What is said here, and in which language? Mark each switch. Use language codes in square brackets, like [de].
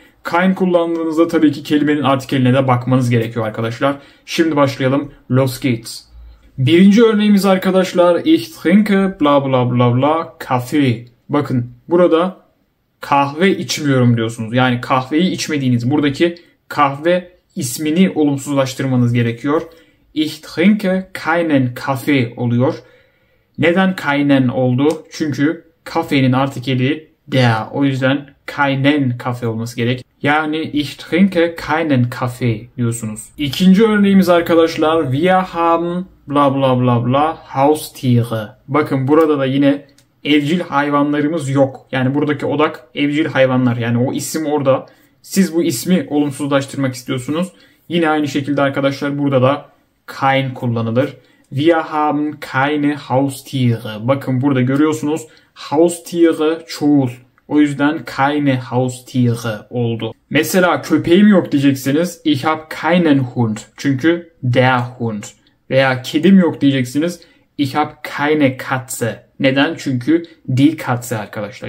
[tr] Kein kullandığınızda tabii ki kelimenin artikeline de bakmanız gerekiyor arkadaşlar. Şimdi başlayalım. [de] Los geht's. [tr] Birinci örneğimiz arkadaşlar [de] ich trinke bla bla bla bla Kaffee. [tr] Bakın burada kahve içmiyorum diyorsunuz. Yani kahveyi içmediğiniz buradaki kahve ismini olumsuzlaştırmanız gerekiyor. [de] Ich trinke keinen Kaffee oluyor. [tr] Neden keinen oldu? Çünkü kafenin artikeli der. O yüzden [de] keinen Kaffee [tr] olması gerek. Yani [de] ich trinke keinen Kaffee [tr] diyorsunuz. İkinci örneğimiz arkadaşlar [de] wir haben bla bla bla bla Haustiere. [tr] Bakın burada da yine evcil hayvanlarımız yok. Yani buradaki odak evcil hayvanlar. Yani o isim orada. Siz bu ismi olumsuzlaştırmak istiyorsunuz. Yine aynı şekilde arkadaşlar burada da kein kullanılır. [de] Wir haben keine Haustiere. [tr] Bakın burada görüyorsunuz. Haustiere çoğul. O yüzden [de] keine Haustiere [tr] oldu. Mesela köpeğim yok diyeceksiniz. [de] Ich habe keinen Hund. Çünkü der Hund. [tr] Veya kedim yok diyeceksiniz. [de] Ich habe keine Katze. Neden? Çünkü die Katze arkadaşlar.